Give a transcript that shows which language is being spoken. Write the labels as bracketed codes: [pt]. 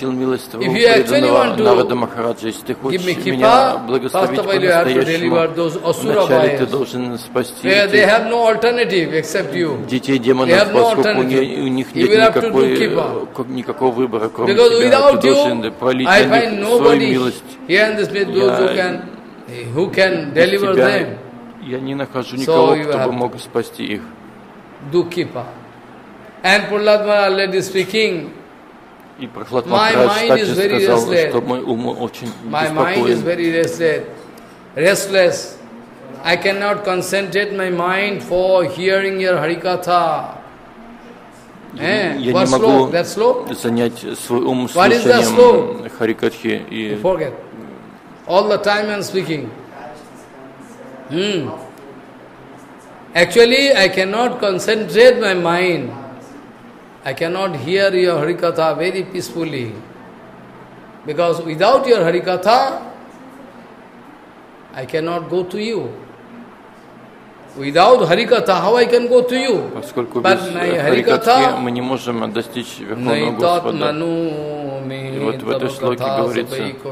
[en] If you actually want to give me kippa, first of all you have to deliver those asura bhayas. Yeah, they have no alternative except you. They have no alternative. You will have to do kippa. [ru] Никакого выбора, кроме [en] because [ru] тебя, [en] without [ru] ты должен [en] you, [ru] пролить [en] I find [ru] свою милость. [en] Here in this place, those who can deliver [ru] тебя, [en] them. [ru] Я не нахожу никого, so кто бы мог спасти их. [en] Do kippa. And Prahlad Maharaj already speaking, [ru] и Прахлад Махарадж также сказал, что мой ум очень беспокоен. [en] My mind is very restless. I cannot concentrate my mind for hearing your Harikatha. [ru] Я не могу занять свой ум слушанием Харикатхи. [en] You forget. All the time I'm speaking. Actually, I cannot concentrate my mind. I cannot hear your Harikatha very peacefully. Because without your Harikatha, I cannot go to you. Without Harikatha, how I can go to you? [ru] Поскольку без Харикатхи мы не можем достичь Верховного Господа. И вот в этой слоке говорится.